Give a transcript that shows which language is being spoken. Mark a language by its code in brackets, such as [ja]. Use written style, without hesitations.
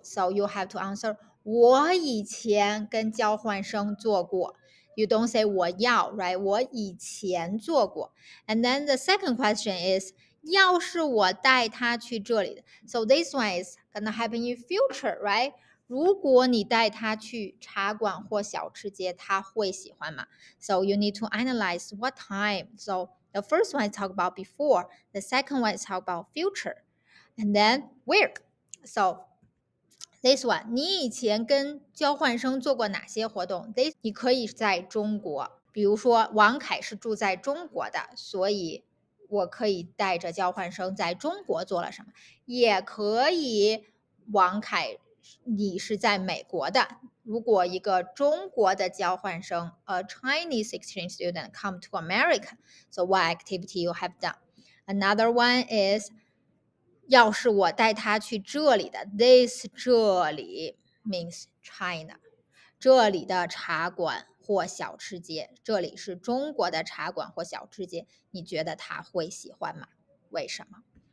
[en] So you have to answer, [zh] 我以前跟交换生做过。 [en] You don't say 我要, right? [zh] 我以前做过。 [en] And then the second question is, [zh] 要是我带他去这里的。 [en] So this one is gonna happen in future, right? [zh] 如果你带他去茶馆或小吃街,他会喜欢吗? [en] So you need to analyze what time. So the first one is talk about before. The second one is talk about future. And then where? So... This one, [zh] 你以前跟交换生做过哪些活动? This, 你可以在中国。比如说王凯是住在中国的,所以我可以带着交换生在中国做了什么。也可以王凯,你是在美国的。如果一个中国的交换生, [en] a Chinese exchange student come to America, so what activity you have done? Another one is, [zh] 要是我带他去这里的 ,this 这里 [en] means China, [zh] 这里的茶馆或小吃街,这里是中国的茶馆或小吃街,你觉得他会喜欢吗?为什么?